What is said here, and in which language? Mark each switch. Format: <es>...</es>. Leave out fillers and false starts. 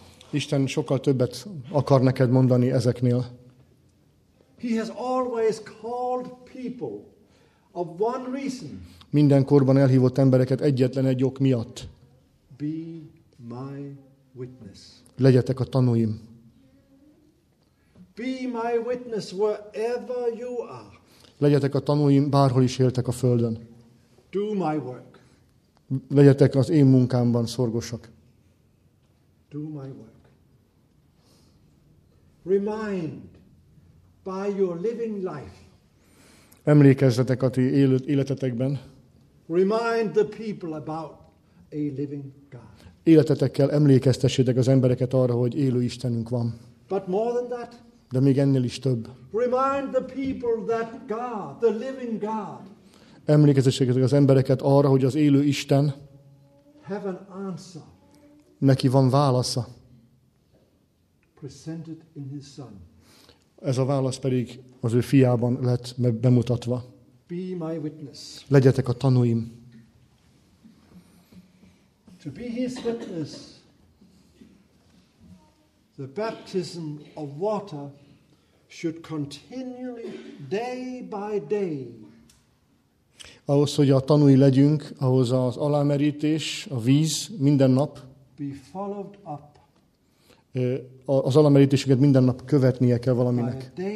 <hu>Isten sokkal többet akar neked mondani ezeknél.</hu> <en>He has always called people of one reason.</en> <hu>Minden korban elhívott embereket egyetlen egy ok miatt.</hu> <en>Be my witness.</en> <hu>Legyetek a tanúim.</hu> <en>Be my witness wherever you are.</en> <hu>Legyetek a tanúim bárhol is éltek a földön.</hu> <en>Do my work.</en> <hu>Legyetek az én munkámban szorgosak.</hu> <en>Do my work. Remind by your living life.</en> <hu>Emlékezzetek a ti életetekben.</hu> <en>Remind the people about a living God.</en> <hu>Életetekkel emlékeztessétek az embereket arra, hogy élő Istenünk van.</hu> <en>But more than that.</en> <hu>De még ennél is több.</hu> <en>Remind the people that God, the living God.</en> <hu>Emlékeztessétek az embereket arra, hogy az élő Isten.</hu> <en>Have an answer.</en> <hu>Neki van válasza.</hu> <en>Presented in his son.</en> <hu>Ez a válasz pedig az ő fiában lett bemutatva.</hu> <en>Be my witness.</en> <hu>Legyetek a tanúim.</hu> <en>To be his witness, the baptism of water should continually, day by day.</en> <hu>Ahhoz, hogy a tanúi legyünk, ahhoz az alámerítés, a víz minden nap.</hu> <en>Be followed up.</en> <hu>Az alamerítéseket minden nap követnie kell valaminek.</hu>